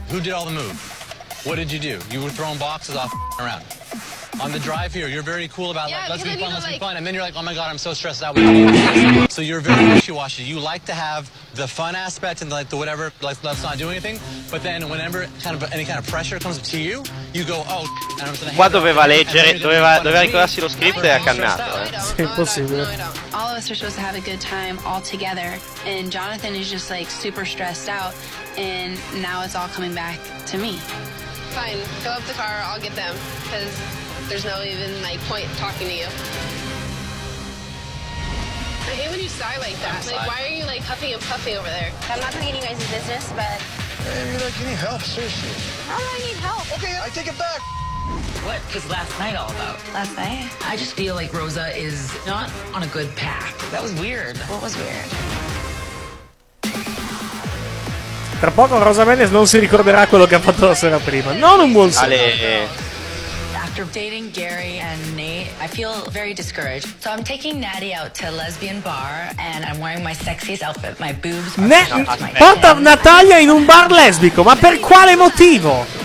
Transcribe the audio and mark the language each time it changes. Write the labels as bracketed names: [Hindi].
[English] Who did all the move? What did you do? You were throwing boxes off around. On the drive here, you're very cool about, yeah, like, let's be fun, let's like... be fun. And then you're like, oh my God, I'm so stressed out. So you're very wishy-washy. You like to have the fun aspect and like the whatever, like, let's not do anything. But then whenever kind of any kind of pressure comes to you, you go, oh, and I'm just gonna... [Italian] Qua doveva leggere, doveva ricordarsi lo script e ha cannato. Sì, impossibile. [English] All of us are supposed to have a good time all together. And Jonathan is just like super stressed out. And now it's all coming back to me. Fine, go up the car, I'll get them. Because... there's no even like point talking to you. I hate when you sigh like that. Like, why are you like huffing and puffing over there? I'm not gonna get you guys in business, but. Hey, you're like, can you help? Seriously. How do I need help? Okay, I take it back. What was last night all about? Last night? I just feel like Rosa is not on a good path. That was weird. What was weird? [Italian] Tra poco Rosa Mendes non si ricorderà quello che ha fatto la sera prima. Non un buon segno. [English] After dating Gary and Nate, I feel very discouraged. So I'm taking Natty out to a lesbian bar and I'm wearing my sexiest outfit. My boobs are [Italian] Porta Natalia in un bar lesbico, ma per quale motivo?